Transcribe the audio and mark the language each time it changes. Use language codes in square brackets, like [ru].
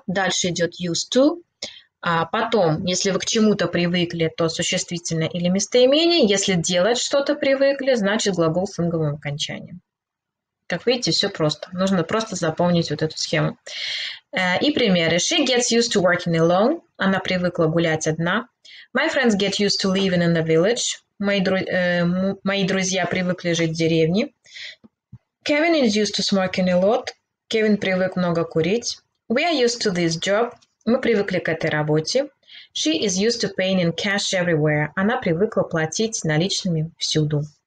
[ru] Дальше идет used to. Потом, если вы к чему-то привыкли, то существительное или местоимение. Если делать что-то привыкли, значит глагол с инговым окончанием. Как видите, все просто. Нужно просто запомнить вот эту схему. И примеры. [en] She gets used to working alone. [ru] Она привыкла гулять одна. [en] My friends get used to living in the village. [ru] Мои друзья привыкли жить в деревне. [en] Kevin is used to smoking a lot. [ru] Kevin привык много курить. [en] We are used to this job. [ru] Мы привыкли к этой работе. [en] She is used to paying in cash everywhere. [ru] Она привыкла платить наличными всюду.